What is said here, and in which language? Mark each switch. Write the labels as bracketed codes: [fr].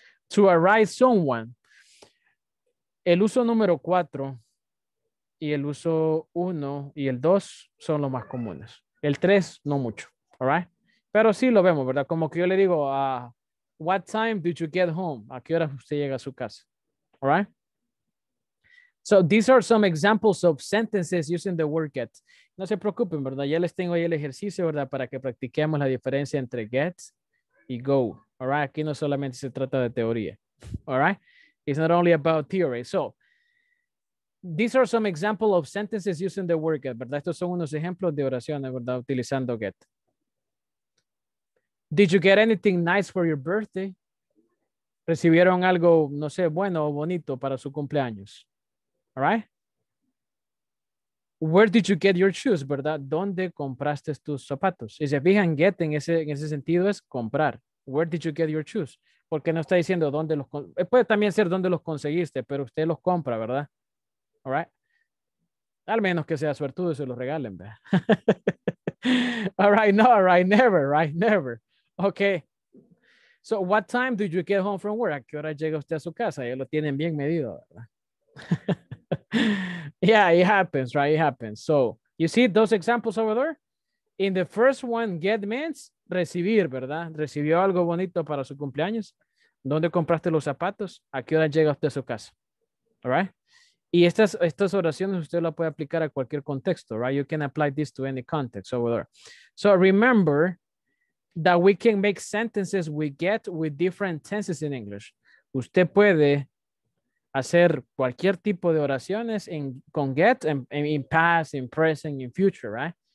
[en] To arrive someone. [es] El uso número cuatro. Y el uso 1 y el 2 son los más comunes. El 3, no mucho. [en] All right? [es] Pero sí lo vemos, ¿verdad? Como que yo le digo, [en] what time did you get home? [es] ¿A qué hora usted llega a su casa? [en] All right? So these are some examples of sentences using the word get. [es] No se preocupen, ¿verdad? Ya les tengo ahí el ejercicio, ¿verdad? Para que practiquemos la diferencia entre get y go. [en] All right? [es] Aquí no solamente se trata de teoría. [en] All right? It's not only about theory. So, these are some examples of sentences using the word get, [es] ¿verdad? Estos son unos ejemplos de oraciones, ¿verdad? Utilizando get. [en] Did you get anything nice for your birthday? [es] ¿Recibieron algo, no sé, bueno o bonito para su cumpleaños? [en] All right? Where did you get your shoes, [es] ¿verdad? ¿Dónde compraste tus zapatos? Y se fijan, get en ese sentido es comprar. [en] Where did you get your shoes? [es] Porque no está diciendo dónde los... Puede también ser dónde los conseguiste, pero usted los compra, ¿verdad? [en] All right. [es] Al menos que sea suertudo y se lo regalen. [en] All right. No, all right. Never, right? Never. Okay. So what time did you get home from work? [es] ¿A qué hora llega usted a su casa? Ya lo tienen bien medido, ¿verdad? [en] Yeah, it happens, right? It happens. So you see those examples over there? In the first one, get means [es] recibir, ¿verdad? ¿Recibió algo bonito para su cumpleaños? ¿Dónde compraste los zapatos? ¿A qué hora llega usted a su casa? [en] All right. [es] Y estas oraciones usted la puede aplicar a cualquier contexto, right? [en] You can apply this to any context over there. So remember that we can make sentences we get with different tenses in English. [es] Usted puede hacer cualquier tipo de oraciones con get [en] in past, in present, in future, right?